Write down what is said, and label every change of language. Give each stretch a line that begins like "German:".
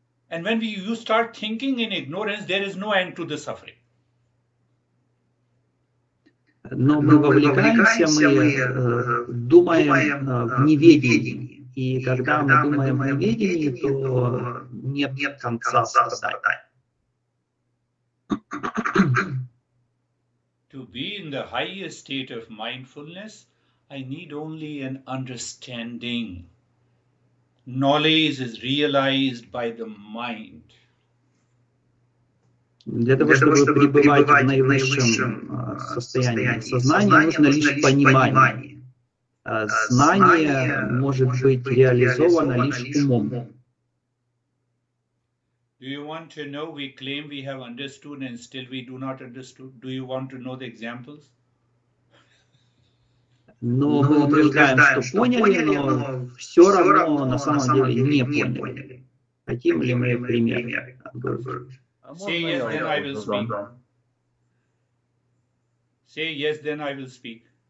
English: And when you start thinking in ignorance, there is no end to the suffering.
Russian: Но мы вовлекаемся, мы думаем в неведении. И когда мы думаем в неведении, то нет конца страданий.
English: To be in the highest state of mindfulness, I need only an understanding. Knowledge is realized by the mind.
Russian: Для того, чтобы пребывать в наивысшем состоянии сознания, нужно лишь понимание. Знание может быть реализовано лишь умом.
English: Do you want to know? We claim we have understood and still we do not understand. Do you want to know the examples?
Russian: Но мы утверждаем, что поняли, но все равно на самом деле не поняли. Хотим ли мы пример?
English: Say yes, then I will speak.